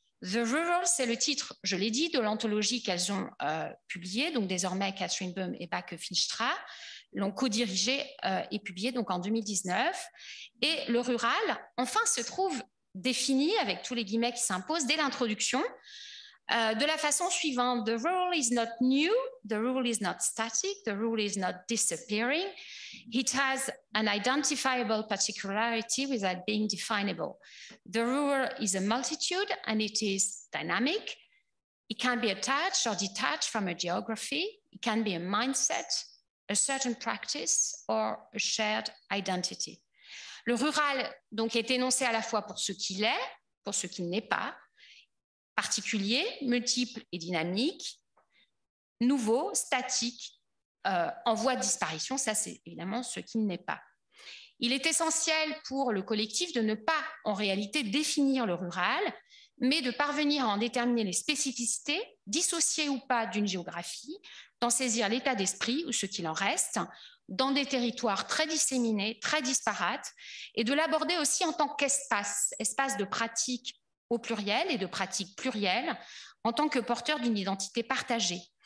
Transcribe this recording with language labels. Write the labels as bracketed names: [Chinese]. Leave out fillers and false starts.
[French] The Rural, c'est le titre, je l'ai dit, de l'anthologie qu'elles ont publiée, donc désormais Catherine Boehm et Backe Finstra l'ont co-dirigé et publié donc en 2019. Et le rural, enfin, se trouve défini, avec tous les guillemets qui s'imposent, dès l'introduction, de la façon suivante. [English] The rural is not new, the rural is not static, the rural is not disappearing. It has an identifiable particularity without being definable. The rural is a multitude and it is dynamic. It can be attached or detached from a geography. It can be a mindset, a certain practice or a shared identity. [French] Le rural donc est énoncé à la fois pour ce qu'il est, pour ce qu'il n'est pas, particulier, multiple et dynamique, nouveau, statique, en voie de disparition, ça c'est évidemment ce qu'il n'est pas. Il est essentiel pour le collectif de ne pas en réalité définir le rural, mais de parvenir à en déterminer les spécificités, dissociées ou pas d'une géographie, d'en saisir l'état d'esprit ou ce qu'il en reste, dans des territoires très disséminés, très disparates, et de l'aborder aussi en tant qu'espace, espace de pratique au pluriel et de pratique plurielle, en tant que porteur d'une identité partagée.